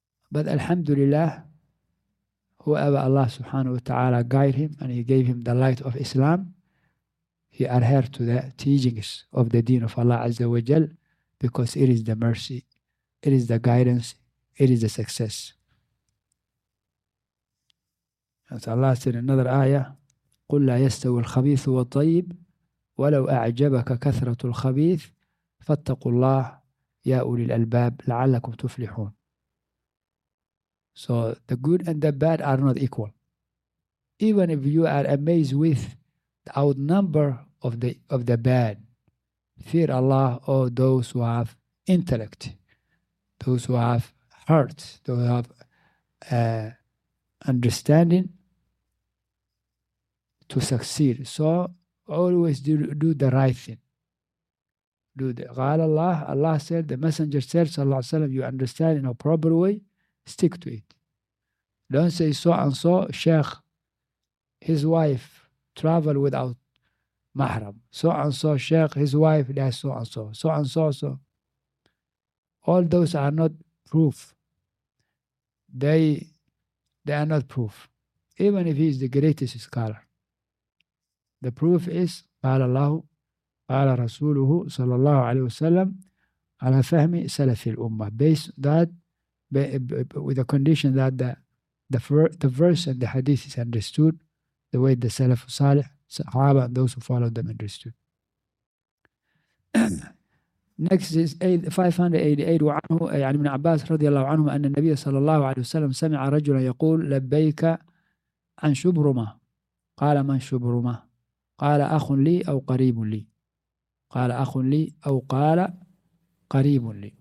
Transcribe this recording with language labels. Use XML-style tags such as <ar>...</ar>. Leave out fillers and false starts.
<en>But alhamdulillah, whoever Allah subhanahu wa ta'ala guide him and he gave him the light of Islam, he adhere to the teachings of the deen of Allah azza wa jal, because it is the mercy, it is the guidance, it is the success.</en> <ar>As Allah said in another ayah, قُلْ لَا يَسْتَوِي الْخَبِيثُ وَالطَّيِّبُ ولو أعجبك كثرة الخبيث فاتقوا الله يا أولي الألباب لعلكم تفلحون.</ar> <en>So the good and the bad are not equal. Even if you are amazed with the outnumber of the bad, fear Allah, all those who have intellect, those who have heart, those who have understanding to succeed. So always do the right thing. Do the قال الله, Allah said, the Messenger said, صلى الله عليه وسلم, you understand in a proper way, stick to it. Don't say so and so, Sheikh, his wife travel without mahram. So and so, Sheikh, his wife, that's so and so. So and so, so. All those are not proof. They are not proof. Even if he is the greatest scholar. The proof is,</en> <ar>قال الله, قال رسوله صلى الله عليه وسلم على فهم سلف الأمة.</ar> <en>Based that, with the condition that the verse and the hadith is understood the way the Salaf Salih, Sahaba, and those who followed them understood. Next is 588.</en> <ar>وعنه يعني من عباس رضي الله عنه أن النبي صلى الله عليه وسلم سمع رجلا يقول لبيك عن شبرمة. قال من شبرمة؟ قال أخ لي أو قريب لي. قال أخ لي أو قال قريب لي.</ar>